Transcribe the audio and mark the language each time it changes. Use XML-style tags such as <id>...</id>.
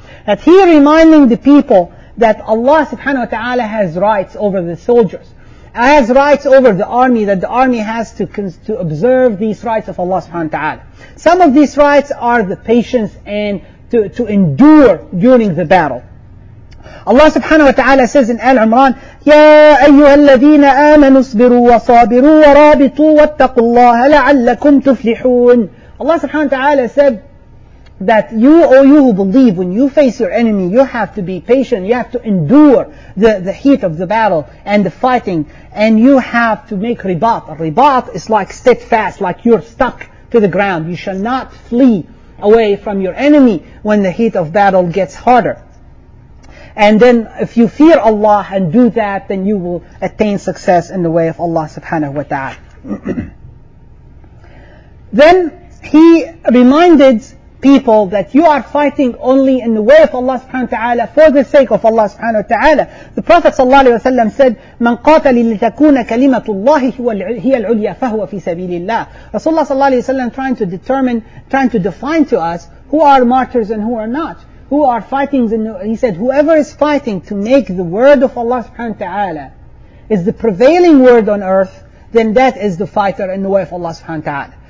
<en>That he reminding the people that Allah subhanahu wa ta'ala has rights over the soldiers, has rights over the army, that the army has to observe these rights of Allah subhanahu wa ta'ala. Some of these rights are the patience and to endure during the battle. Allah subhanahu wa ta'ala says in Al-Imran,</en> <ar>يَا أَيُّهَا الَّذِينَ آمَنُوا اصْبِرُوا وَصَابِرُوا وَرَابِطُوا وَاتَّقُوا اللَّهَ لَعَلَّكُمْ تُفْلِحُونَ.</ar> <en>Allah subhanahu wa ta'ala said that you, O you who believe, when you face your enemy, you have to be patient, you have to endure the heat of the battle and the fighting, and you have to make ribat. A ribat is like steadfast, like you're stuck to the ground. You shall not flee away from your enemy when the heat of battle gets harder. And then if you fear Allah and do that, then you will attain success in the way of Allah subhanahu wa ta'ala. Then he reminded people that you are fighting only in the way of Allah subhanahu wa ta'ala for the sake of Allah subhanahu wa ta'ala. The Prophet sallallahu alayhi wa sallam said,</en> <ar>مَنْ قَاتَلِ لِتَكُونَ كَلِمَةُ اللَّهِ هِيَ الْعُلْيَا فَهُوَ فِي سَبِيلِ اللَّهِ.</ar> <en>Rasulullah sallallahu alayhi wa sallam trying to define to us who are martyrs and who are not. Who are fighting, he said, whoever is fighting to make the word of Allah subhanahu wa ta'ala is the prevailing word on earth, then that is the fighter in the way of Allah subhanahu wa ta'ala.</en>